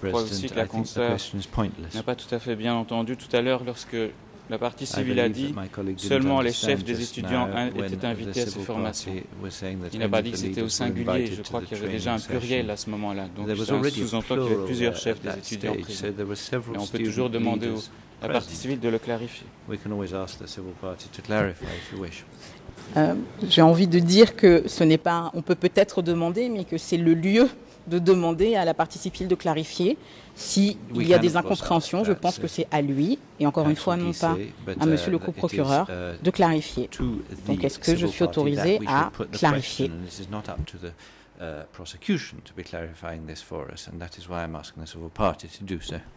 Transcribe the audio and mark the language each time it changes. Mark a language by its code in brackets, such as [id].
[fr] Je crois aussi que la conseillère n'a pas tout à fait bien entendu tout à l'heure lorsque la partie civile a dit seulement les chefs des étudiants étaient invités à ces formations. Il n'a pas dit que c'était au singulier. Je crois qu'il y avait déjà un pluriel à ce moment-là. Donc, ça sous-entend qu'il y avait plusieurs chefs des étudiants présents. Et on peut toujours demander à la partie civile de le clarifier. [en] We can always ask the civil party to clarify if you wish. [fr] J'ai envie de dire que ce n'est pas, on peut peut-être demander, mais que c'est le lieu de demander à la partie civile de clarifier s'il y a des incompréhensions. Je pense que c'est à lui, et encore une fois, non pas à monsieur le coprocureur, de clarifier. Donc, est-ce que je suis autorisé à clarifier? [en] This is not up to the prosecution to be clarifying this for us, and that is why I'm asking the civil party to do so.